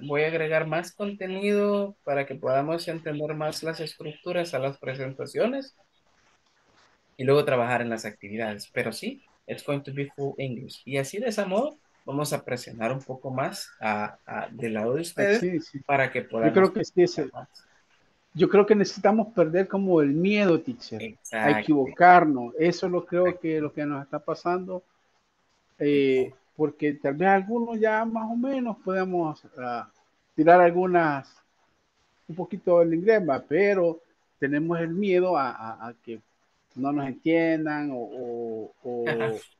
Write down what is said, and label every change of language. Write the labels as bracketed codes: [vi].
[es] Voy a agregar más contenido para que podamos entender más las estructuras a las presentaciones y luego trabajar en las actividades. Pero sí, [en] it's going to be full English. [es] Y así de esa modo, vamos a presionar un poco más a del lado de ustedes para que podamos. Yo creo que sí es. Yo creo que necesitamos perder como el miedo, teacher. Exacto. A equivocarnos. Eso lo creo que lo que nos está pasando. Porque tal vez algunos ya más o menos podemos tirar algunas, un poquito el inglés, pero tenemos el miedo a que no nos entiendan o...